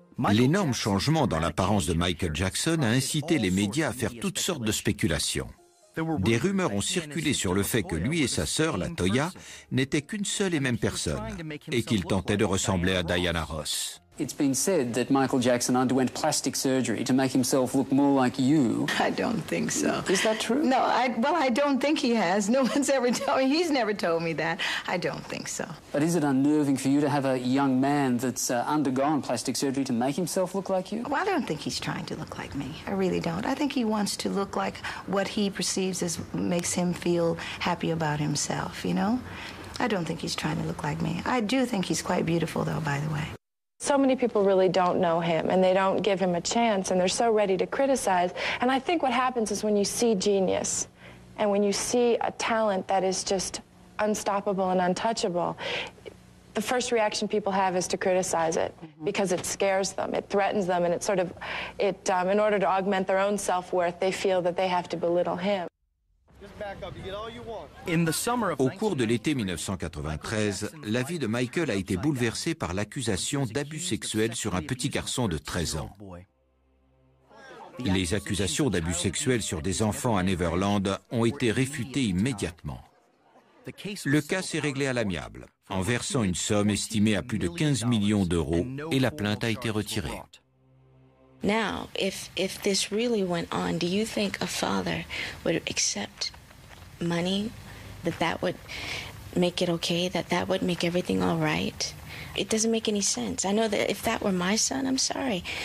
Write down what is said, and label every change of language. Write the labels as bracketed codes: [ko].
[fr] L'énorme changement dans l'apparence de Michael Jackson a incité les médias à faire toutes sortes de spéculations. Des rumeurs ont circulé sur le fait que lui et sa sœur, la Toya, n'étaient qu'une seule et même personne, et qu'ils tentaient de ressembler à Diana Ross. [en] It's been said that Michael Jackson underwent plastic surgery to make himself look more like you. I don't think so. Is that true? No, I don't think he has. No one's ever told me. He's never told me that. I don't think so. But is it unnerving for you to have a young man that's undergone plastic surgery to make himself look like you? Well, I don't think he's trying to look like me. I really don't. I think he wants to look like what he perceives as makes him feel happy about himself, you know? I don't think he's trying to look like me. I do think he's quite beautiful, though, by the way. So many people really don't know him, and they don't give him a chance, and they're so ready to criticize. And I think what happens is when you see genius, and when you see a talent that is just unstoppable and untouchable, the first reaction people have is to criticize it, because it scares them, it threatens them, and it sort of, in order to augment their own self-worth, they feel that they have to belittle him. [fr] Au cours de l'été 1993, la vie de Michael a été bouleversée par l'accusation d'abus sexuels sur un petit garçon de 13 ans. Les accusations d'abus sexuels sur des enfants à Neverland ont été réfutées immédiatement. Le cas s'est réglé à l'amiable, en versant une somme estimée à plus de 15 millions d'euros et la plainte a été retirée. [en] Now, if this really went on, do you think a father would accept money, that would make it okay, that would make everything all right? It doesn't make any sense. I know that if that were my son, I'm sorry.